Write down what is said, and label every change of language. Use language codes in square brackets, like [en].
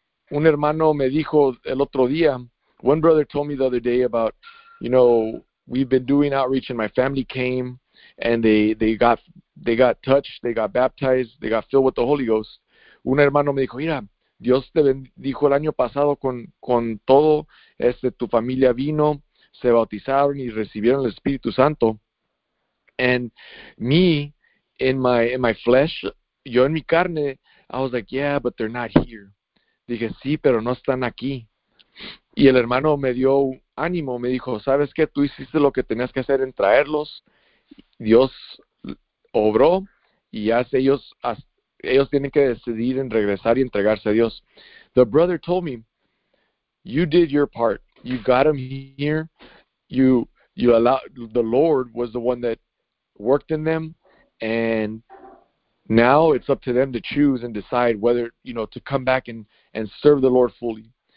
[es] Un hermano me dijo el otro día, [en] one brother told me the other day about, you know, we've been doing outreach and my family came and they got touched, they got baptized, they got filled with the Holy Ghost. [es] Un hermano me dijo, mira, Dios te bendijo el año pasado con todo, tu familia vino, se bautizaron y recibieron el Espíritu Santo. [en] And me, in my flesh, [es] yo en mi carne, [en] I was like, yeah, but they're not here. [es] Dije, sí, pero no están aquí. Y el hermano me dio ánimo, me dijo, ¿sabes qué? Tú hiciste lo que tenías que hacer en traerlos. Dios obró y ya ellos tienen que decidir en regresar y entregarse a Dios. [en] The brother told me, you did your part. You got them here. You allowed, the Lord was the one that worked in them. And now it's up to them to choose and decide whether, you know, to come back and serve the Lord fully.